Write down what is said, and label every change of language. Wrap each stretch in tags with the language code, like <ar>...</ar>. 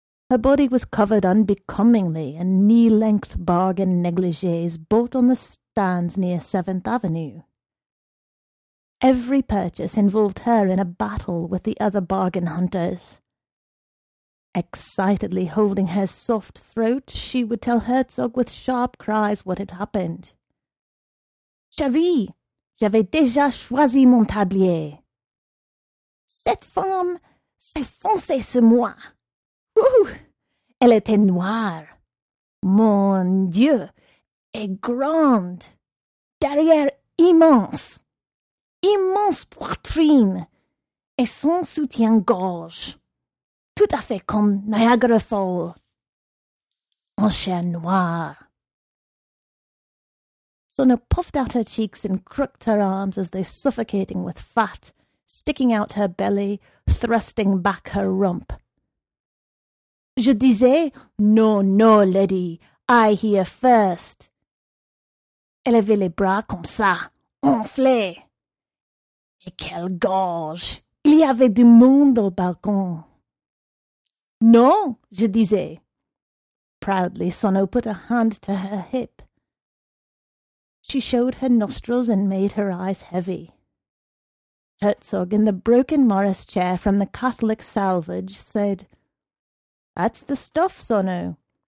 <en>Her body was covered unbecomingly in knee-length bargain negligees bought on the stands near 7th Avenue. Every purchase involved her in a battle with the other bargain hunters. Excitedly holding her soft throat, she would tell Herzog with sharp cries what had happened.</en> <fr>Chérie, j'avais déjà choisi mon tablier. Cette femme s'est foncée sur moi. Ouh! Elle était noire. Mon Dieu, et grande. Derrière, immense. Immense poitrine. Et son soutien-gorge. Tout à fait comme Niagara Falls. En chair noire.</fr> <en>Sono puffed out her cheeks and crooked her arms as though suffocating with fat, sticking out her belly, thrusting back her rump.</en> <fr>Je disais, non, non,</fr> <en>lady, I hear first.</en> <fr>Elle avait les bras comme ça, enflés. Et quelle gorge! Il y avait du monde au balcon. Non, je disais.</fr> <en>Proudly, Sono put a hand to her hip. She showed her nostrils and made her eyes heavy. Herzog, in the broken Morris chair from the Catholic salvage, said, That's the stuff, Sono.</en>